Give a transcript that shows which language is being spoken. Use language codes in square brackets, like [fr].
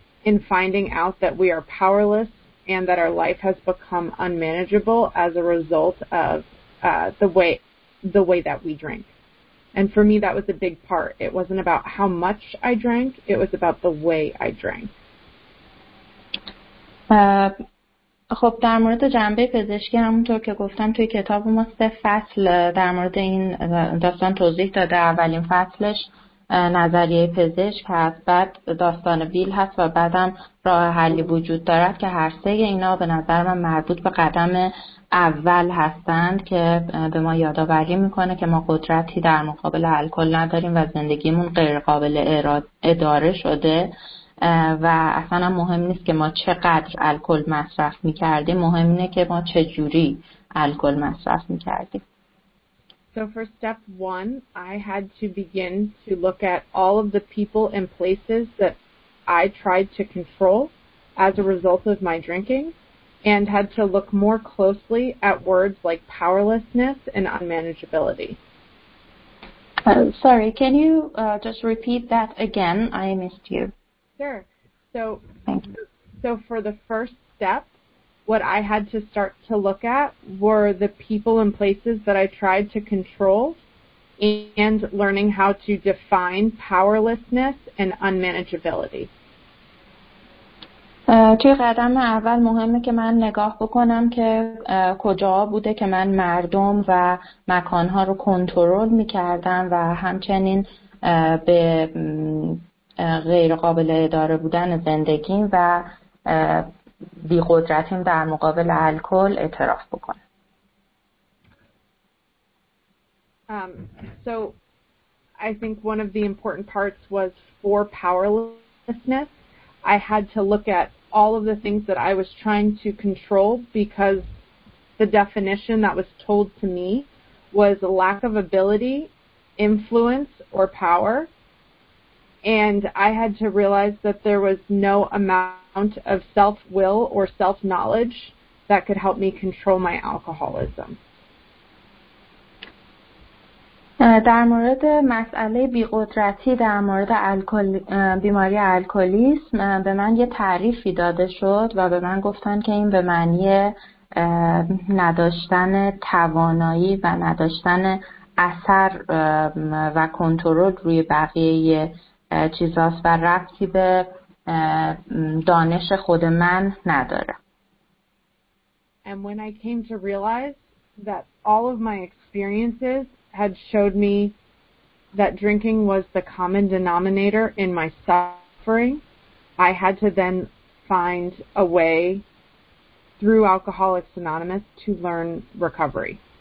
[en] In finding out that we are powerless and that our life has become unmanageable as a result of the way that we drink. And for me, that was a big part. It wasn't about how much I drank. It was about the way I drank. [fa] خب در مورد جنبه پزشکی همونطور که گفتم توی کتاب ما 3 فصل در مورد این داستان توضیح داده. اولین فصلش نظریه پزشک هست، بعد داستان ویل هست و بعدم راه حلی وجود دارد که هر سه اینا به نظر من مربوط به قدم اول هستند که به ما یادآوری میکنه که ما قدرتی در مقابل الکل نداریم و زندگیمون غیر قابل اداره شده و اصلا مهم نیست که ما چقدر الکل مصرف میکردیم، مهم اینه که ما چجوری الکل مصرف میکردیم. [en] So for step one, I had to begin to look at all of the people and places that I tried to control as a result of my drinking and had to look more closely at words like powerlessness and unmanageability. Sorry, can you just repeat that again? I missed you. Sure. So, thank you. So for the first step, what I had to start to look at were the people and places that I tried to control and learning how to define powerlessness and unmanageability. [fa] توی قدم اول مهمه که من نگاه بکنم که کجا بوده که من مردم و مکانها رو کنترل میکردم و همچنین به غیر قابل اداره بودن زندگیم و بی قدرتیم در مقابل الکل اعتراف بکنم. [en] So I think one of the important parts was for powerlessness. I had to look at all of the things that I was trying to control because the definition that was told to me was a lack of ability, influence or power. And I had to realize that there was no amount of self-will or self-knowledge that could help me control my alcoholism. [fa] در مورد مسئله بی‌قدرتی در مورد الکل بیماری الکلیسم به من یه تعریفی داده شد و به من گفتن که این به معنی نداشتن توانایی و نداشتن اثر و کنترل روی بقیه چیزاست و ربطی به دانش خود من نداره. [en] And when I came to realize that all of my experiences had showed me that drinking was the common denominator in my suffering, I had to then find a way through Alcoholics Anonymous to learn recovery.